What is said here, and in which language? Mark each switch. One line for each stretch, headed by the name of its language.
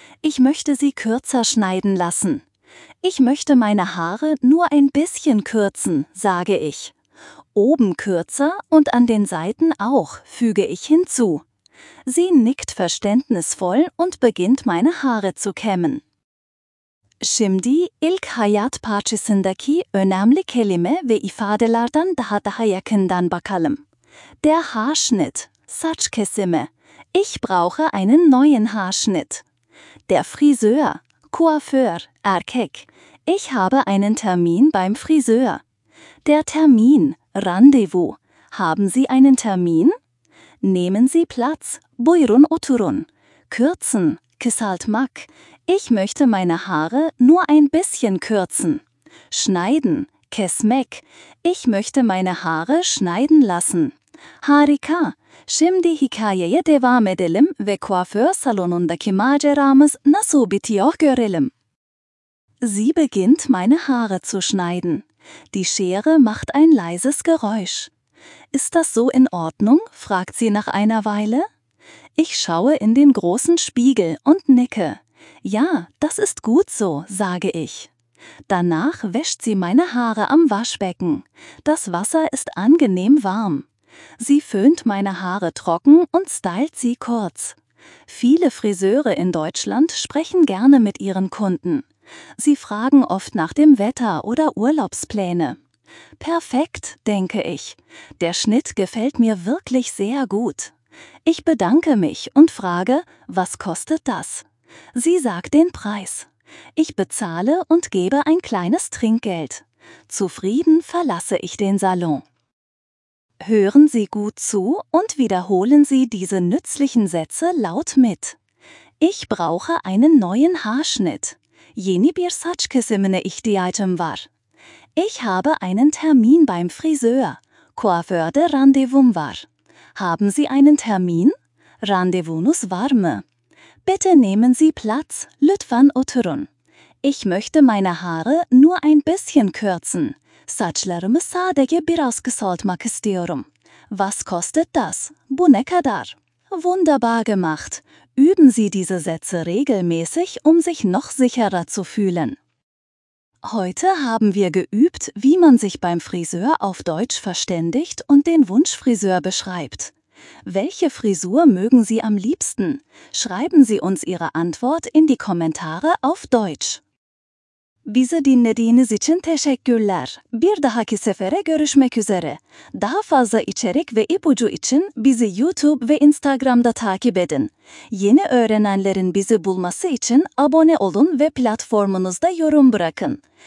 German: Ich möchte sie kürzer schneiden lassen. Ich möchte meine Haare nur ein bisschen kürzen, sage ich. Oben kürzer und an den Seiten auch, füge ich hinzu. Sie nickt verständnisvoll und beginnt meine Haare zu kämmen.
Turkish: Şimdi ilk hayat parçasındaki önemli kelime ve ifadelerden daha yakından bakalım.
German: Der Haarschnitt,
Turkish: saç kesimi.
German: Ich brauche einen neuen Haarschnitt. Der Friseur, Coiffeur,
Turkish: erkek.
German: Ich habe einen Termin beim Friseur. Der Termin, Rendezvous. Haben Sie einen Termin? Nehmen Sie Platz,
Turkish: buyurun oturun.
German: Kürzen,
Turkish: kısaltmak.
German: Ich möchte meine Haare nur ein bisschen kürzen. Schneiden,
Turkish: kesmek.
German: Ich möchte meine Haare schneiden lassen.
Turkish: Harika. Şimdi hikayeye devam edelim ve kuaför salonundaki maceramız nasıl bitiyor görelim.
German: Sie beginnt meine Haare zu schneiden. Die Schere macht ein leises Geräusch. Ist das so in Ordnung? Fragt sie nach einer Weile. Ich schaue in den großen Spiegel und nicke. Ja, das ist gut so, sage ich. Danach wäscht sie meine Haare am Waschbecken. Das Wasser ist angenehm warm. Sie föhnt meine Haare trocken und stylt sie kurz. Viele Friseure in Deutschland sprechen gerne mit ihren Kunden. Sie fragen oft nach dem Wetter oder Urlaubspläne. Perfekt, denke ich. Der Schnitt gefällt mir wirklich sehr gut. Ich bedanke mich und frage, was kostet das? Sie sagt den Preis. Ich bezahle und gebe ein kleines Trinkgeld. Zufrieden verlasse ich den Salon. Hören Sie gut zu und wiederholen Sie diese nützlichen Sätze laut mit. Ich brauche einen neuen Haarschnitt.
Turkish: Yeni bir saç kesimine ihtiyacım var.
German: Ich habe einen Termin beim Friseur.
Turkish: Kuaförde randevum var.
German: Haben Sie einen Termin?
Turkish: Randevunuz var mı?
German: Bitte nehmen Sie Platz.
Turkish: Lütfen oturun.
German: Ich möchte meine Haare nur ein bisschen kürzen.
Turkish: Saçlarımı sadece biraz kısaltmak istiyorum.
German: Was kostet das?
Turkish: Bu ne kadar?
German: Wunderbar gemacht. Üben Sie diese Sätze regelmäßig, um sich noch sicherer zu fühlen. Heute haben wir geübt, wie man sich beim Friseur auf Deutsch verständigt und den Wunschfriseur beschreibt. Welche Frisur mögen Sie am liebsten? Schreiben Sie uns Ihre Antwort in die Kommentare auf Deutsch.
Turkish: Bizi dinlediğiniz için teşekkürler. Bir dahaki sefere görüşmek üzere. Daha fazla içerik ve ipucu için bizi YouTube ve Instagram'da takip edin. Yeni öğrenenlerin bizi bulması için abone olun ve platformunuzda yorum bırakın.